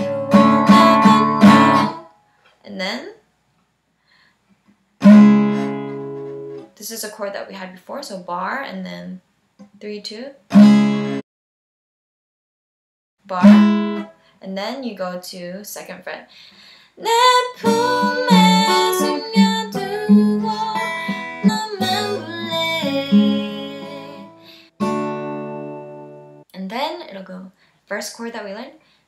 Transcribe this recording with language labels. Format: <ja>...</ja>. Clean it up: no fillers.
<en>You will never know. And then this is a chord that we had before. So bar and then. 3, 2, bar, and then you go to 2nd fret.</en> <ko>내 품에 숨겨두고 너만 볼래.</ko> <en>And then it'll go, first chord that we learned.</en>